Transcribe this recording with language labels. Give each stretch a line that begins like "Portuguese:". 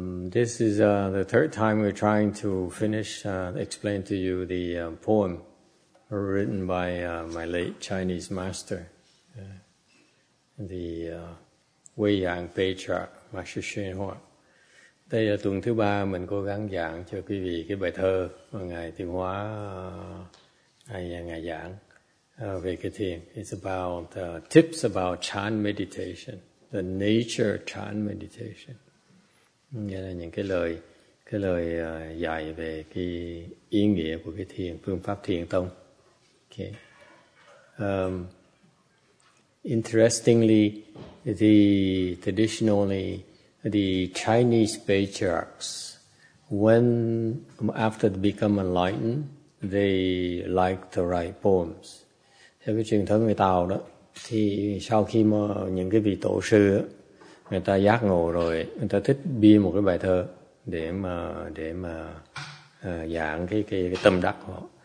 English: This is the third time we're trying to finish, explain to you the poem written by my late Chinese master, the Wei Yang Bei Trạc, Master Xuyên Hoa.
Vietnamese: Đây là tuần thứ ba mình cố gắng giảng cho quý vị cái bài thơ mà Ngài Thiền Hóa Ngài giảng về cái thiền.
English: It's about tips about Chan meditation, the nature of Chan meditation.
Vietnamese: Nghĩa là những cái lời dạy về cái ý nghĩa của cái thiền, phương pháp thiền tông.
English: Okay. Interestingly, traditionally, the Chinese patriarchs, after they become enlightened, they like to write poems.
Vietnamese: Theo cái truyền thống người Tàu đó, thì sau khi mà những cái vị tổ sư đó, người ta giác ngộ rồi, người ta thích bia một cái bài thơ để mà giảng cái tâm đắc họ.